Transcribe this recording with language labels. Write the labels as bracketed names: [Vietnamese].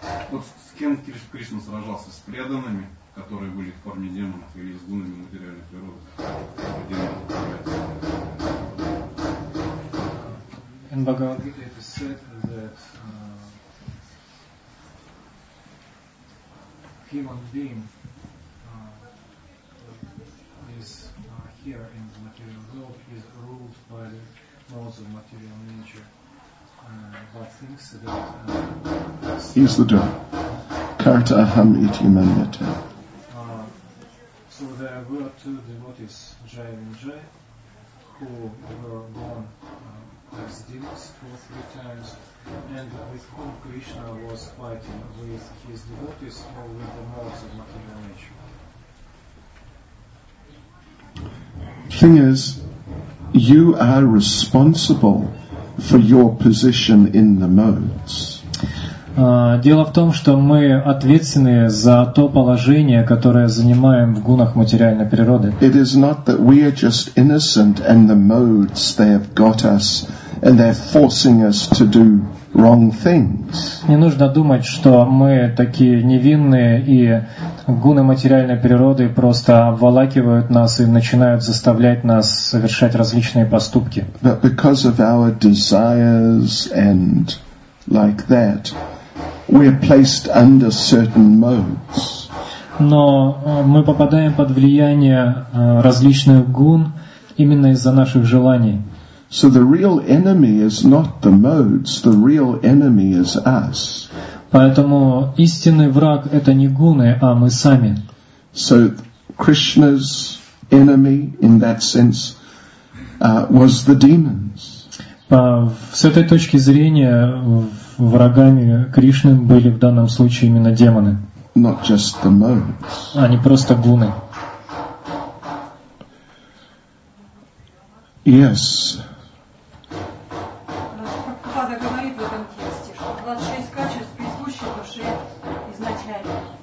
[Russian] Вот с кем Кришна сражался? С преданными, которые были в форме демонов, или с гунами материальной природы? [English] In Bhagavad Gita it is said that human being is here in the material world, is ruled by the laws of material nature, but thinks that he's the door. [Sanskrit] Karta aham iti manyate. [English] So there were two devotees, Jaya Vinjaya, who were born as demons for three times, and with whom Krishna was fighting, with his devotees or with the modes of material nature. Thing is, you are responsible for your position in the modes. [Russian] Дело в том, что мы ответственны за то положение, которое занимаем в гунах материальной природы. [English] It is not that we are just innocent and the modes they have got us and they're forcing us to do wrong things. [Russian] Не нужно думать, что мы такие невинные и гуны материальной природы просто обволакивают нас и начинают заставлять нас совершать различные поступки. [English] But because of our desires and like that, we're placed under certain modes. [Russian] Но мы попадаем под влияние различных гун именно из-за наших желаний. [English] So the real enemy is not the modes, the real enemy is us. [Russian] Поэтому истинный враг это не гуны, а мы сами. [English] So Krishna's enemy in that sense was the demons. [Russian] С этой точки зрения врагами Кришны были в данном случае именно демоны. [English] Not just the modes. [Russian] А не просто гуны. [English] Yes. [Russian] Прабхупада говорит в этом тексте, что 26 качеств присущи душе изначально.